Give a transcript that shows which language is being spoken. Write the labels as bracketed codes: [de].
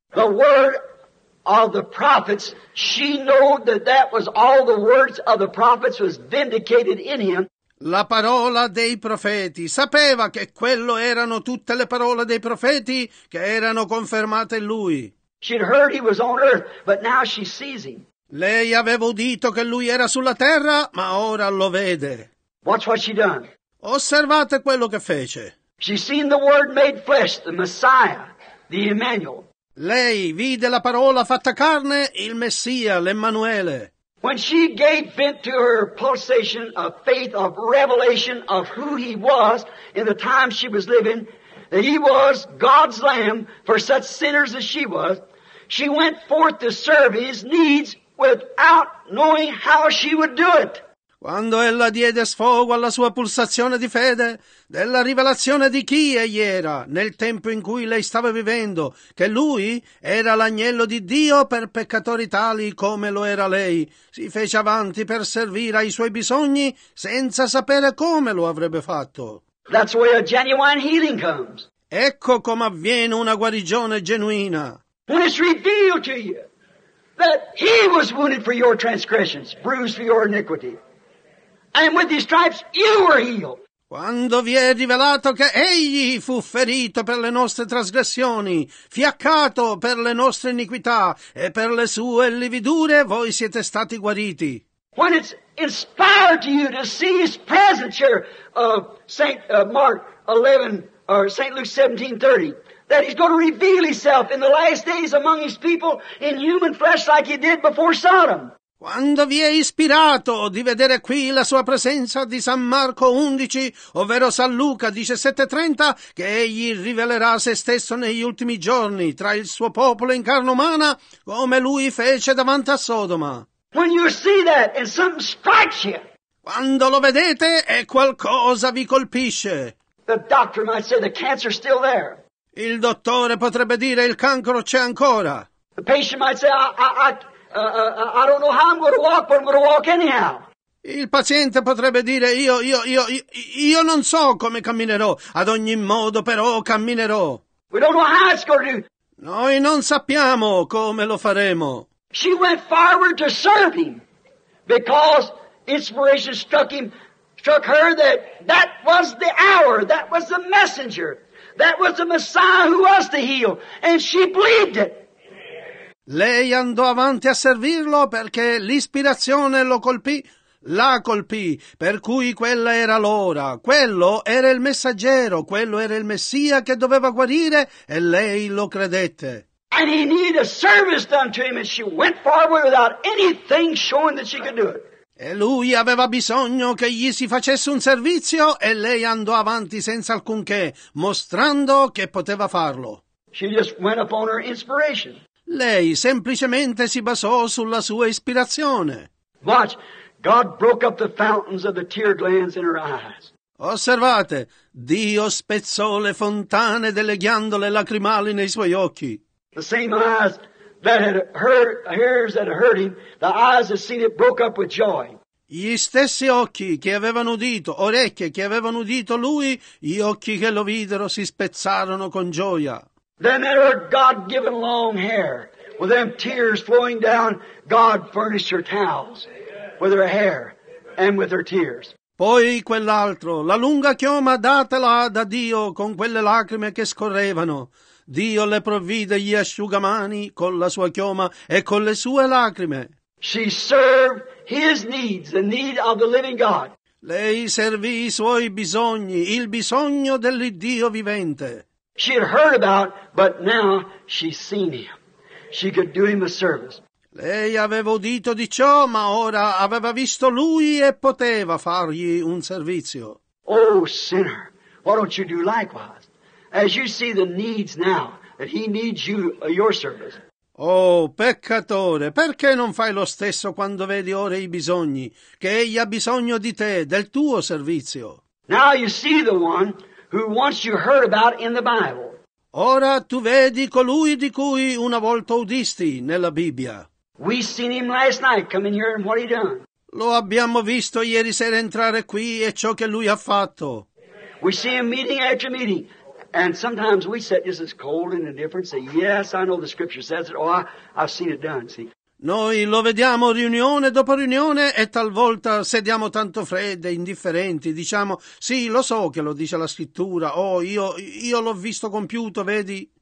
[en] The word of the prophets, she knew that was all the words of the prophets was vindicated in him. [it] La parola dei profeti, sapeva che quello erano tutte le parole dei profeti che erano confermate in lui. [en] She'd heard he was on earth, but now she sees him. [it] Lei aveva udito che lui era sulla terra, ma ora lo vede. [en] Watch what she done. [it] Osservate quello che fece. [en] She seen the word made flesh, the Messiah, the Emmanuel. [it] Lei vide la parola fatta carne, il Messia, l'Emmanuele. [en] When she gave vent to her pulsation of faith, of revelation of who he was in the time she was living, that he was God's Lamb for such sinners as she was, she went forth to serve his needs without knowing how she would do it. [it] Quando ella diede sfogo alla sua pulsazione di fede, della rivelazione di chi egli era, nel tempo in cui lei stava vivendo, che lui era l'agnello di Dio per peccatori tali come lo era lei, si fece avanti per servire ai suoi bisogni senza sapere come lo avrebbe fatto. [en] That's where a genuine healing comes. [it] Ecco come avviene una guarigione genuina. [en] When it's revealed to you, that he was wounded for your transgressions, bruised for your iniquity. And with his stripes you were healed. [it] Quando vi è rivelato che egli fu ferito per le nostre trasgressioni, fiaccato per le nostre iniquità e per le sue lividure, voi siete stati guariti. [en] When it's inspired to you to see his presence here of St. Mark 11 or St. Luke 17:30, that he's going to reveal himself in the last days among his people in human flesh like he did before Sodom. [it] Quando vi è ispirato di vedere qui la sua presenza di San Marco 11, ovvero San Luca 17:30, che egli rivelerà se stesso negli ultimi giorni tra il suo popolo in carne umana, come lui fece davanti a Sodoma. [en] When you see that and something strikes you, [it] quando lo vedete e qualcosa vi colpisce, [en] the doctor might say the cancer's still there. [it] Il dottore potrebbe dire il cancro c'è ancora. [en] The patient might say I don't know how I'm going to walk, but I'm going to walk anyhow. [it] Il paziente potrebbe dire io non so come camminerò, ad ogni modo però camminerò. [en] We don't know how it's going to do. [it] Noi non sappiamo come lo faremo. [en] She went forward to serve him because inspiration struck her that was the hour, that was the messenger, that was the Messiah who was to heal, and she believed it. [it] Lei andò avanti a servirlo perché l'ispirazione la colpì, per cui quella era l'ora, quello era il messaggero, quello era il Messia che doveva guarire, e lei lo credette. [en] And he needed a service done to him, and she went forward without anything showing that she could do it. [it] E lui aveva bisogno che gli si facesse un servizio, e lei andò avanti senza alcunché, mostrando che poteva farlo. [en] She just went upon her inspiration. [it] Lei semplicemente si basò sulla sua ispirazione. [en] Watch, God broke up the fountains of the tear glands in her eyes. [it] Osservate, Dio spezzò le fontane delle ghiandole lacrimali nei suoi occhi. [en] The same eyes that had heard, ears that had heard him, the eyes that seen it broke up with joy. [it] Gli stessi occhi che avevano udito, orecchie che avevano udito lui, gli occhi che lo videro si spezzarono con gioia. [en] Then there were God-given long hair, with them tears flowing down. God furnished her towels with her hair and with her tears. [it] Poi quell'altro, la lunga chioma datela da Dio con quelle lacrime che scorrevano. Dio le provvide gli asciugamani con la sua chioma e con le sue lacrime. [en] She served his needs, the need of the living God. [it] Lei servì i suoi bisogni, il bisogno dell'Iddio vivente. [en] She had heard about, but now she's seen him. She could do him a service. [it] Lei aveva udito di ciò, ma ora aveva visto lui e poteva fargli un servizio. [en] Oh, sinner, why don't you do likewise? As you see the needs now, that he needs you, your service. [it] Oh, peccatore, perché non fai lo stesso quando vedi ora i bisogni? Che egli ha bisogno di te, del tuo servizio. [en] Now you see the one who once you heard about in the Bible. [it] Ora tu vedi colui di cui una volta udisti nella Bibbia. [en] We seen him last night come in here and what he done. [it] Lo abbiamo visto ieri sera entrare qui e ciò che lui ha fatto. [en] We see him meeting after meeting. And sometimes we sit just as cold and indifferent and say, yes, I know the scripture says it. Oh, I've seen it done, see. [it] Noi lo vediamo riunione dopo riunione e talvolta sediamo tanto fredde, indifferenti. Diciamo, sì, lo so che lo dice la scrittura. Oh, io l'ho visto compiuto, vedi?